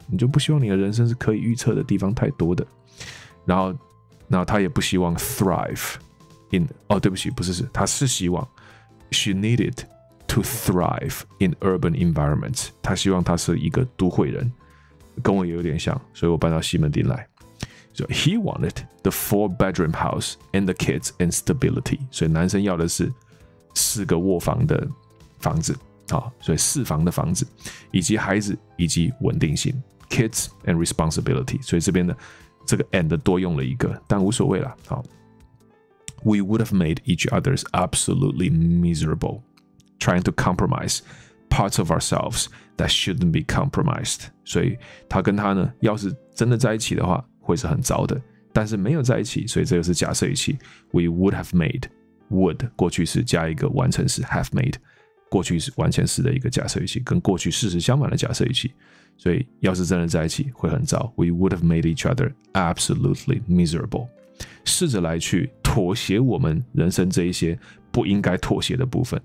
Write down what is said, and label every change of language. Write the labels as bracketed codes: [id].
[zh] 你就不希望你的人生是可以预测的地方太多的。然后他也不希望 thrive in, 哦对不起不是是他是希望 [en] she needed to thrive in urban environments. [zh] 他希望他是一个都会人，跟我也有点像，所以我搬到西门町来。 [en] So he wanted the 4-bedroom house and the kids and stability. [zh] 所以男生要的是四个卧房的房子。好，所以四房的房子，以及孩子，以及稳定性 ， [en] kids and responsibility。 [zh] 所以这边的这个 and 多用了一个，但无所谓了。 [en] 好 ，we would have made each other's absolutely miserable, trying to compromise parts of ourselves that shouldn't be compromised。 [zh] 所以他跟他呢，要是真的在一起的话，会是很糟的。但是没有在一起，所以这个是假设语气。 [en] We would have made would [zh] 过去式加一个完成式 [en] have made。 [zh] 过去是完全是的一个假设语气，跟过去事实相反的假设语气，所以要是真的在一起会很糟。 [en] We would have made each other absolutely miserable. [zh] 试着来去妥协我们人生这一些不应该妥协的部分。